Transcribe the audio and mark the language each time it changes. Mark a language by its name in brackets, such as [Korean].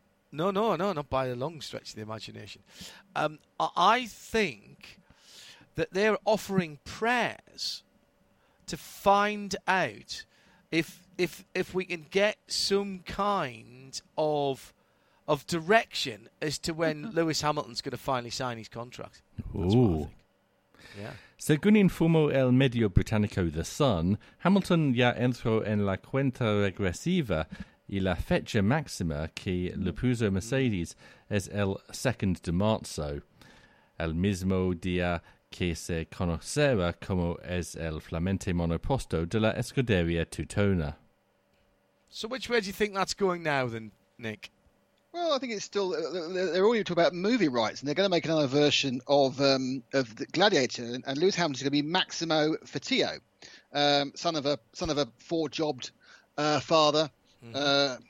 [English] No, not by a long stretch of the imagination. I think that they're offering prayers to find out if we can get some kind of direction as to when Lewis Hamilton's going to finally sign his contract. That's ooh. Yeah. [Spanish] Según informó el medio británico The Sun, Hamilton ya entró en la cuenta regresiva y la fecha máxima que le puso Mercedes es el 2 de marzo, el mismo día que se conocerá como es el flamante monoposto de la Escudería Teutona. [English] So which way do you think that's going now then, Nick? Well, I think it's still, they're already talking about movie rights, and they're going to make another version of the Gladiator, and Lewis Hamilton is going to be Maximo Fatio, son of a four-jobbed father, mm-hmm.